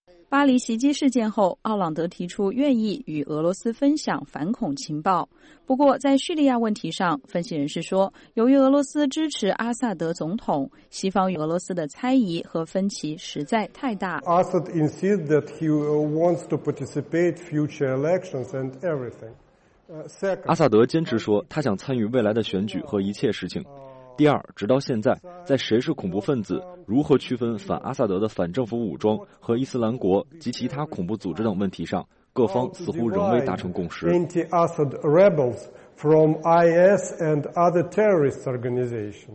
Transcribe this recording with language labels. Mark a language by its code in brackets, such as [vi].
[zh] 巴黎袭击事件后，奥朗德提出愿意与俄罗斯分享反恐情报。不过在叙利亚问题上，分析人士说，由于俄罗斯支持阿萨德总统，西方与俄罗斯的猜疑和分歧实在太大。 [en] 阿萨德 insists that he wants to participate future elections and everything. [zh] 阿萨德坚持说他想参与未来的选举和一切事情。第二，直到现在，在谁是恐怖分子、如何区分反阿萨德的反政府武装和伊斯兰国及其他恐怖组织等问题上，各方似乎仍未达成共识。 [en] Anti-Assad rebels from IS and other terrorist organizations。